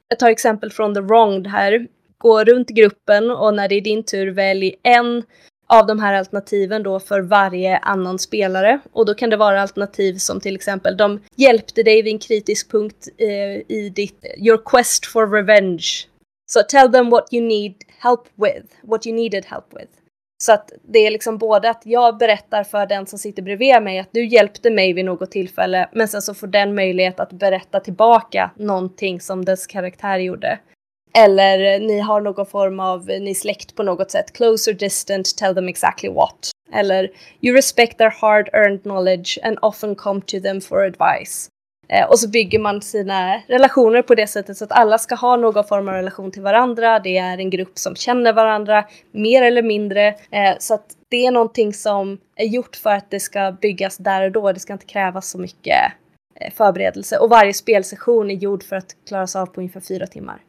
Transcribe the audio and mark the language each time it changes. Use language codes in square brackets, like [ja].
[sv] Jag tar exempel från The Wronged här. Gå runt gruppen och när det är din tur, välj en av de här alternativen då för varje annan spelare. Och då kan det vara alternativ som till exempel, de hjälpte dig vid en kritisk punkt i ditt [en] your quest for revenge. So tell them what you need help with, what you needed help with. [sv] Så att det är liksom både att jag berättar för den som sitter bredvid mig att du hjälpte mig vid något tillfälle, men sen så får den möjlighet att berätta tillbaka någonting som dess karaktär gjorde. Eller ni har någon form av, ni släkt på något sätt, [en] close or distant, tell them exactly what. [sv] Eller [en] you respect their hard earned knowledge and often come to them for advice. [sv] Och så bygger man sina relationer på det sättet så att alla ska ha någon form av relation till varandra. Det är en grupp som känner varandra, mer eller mindre. Så att det är någonting som är gjort för att det ska byggas där och då. Det ska inte krävas så mycket förberedelse. Och varje spelsession är gjord för att klaras av på ungefär 4 timmar.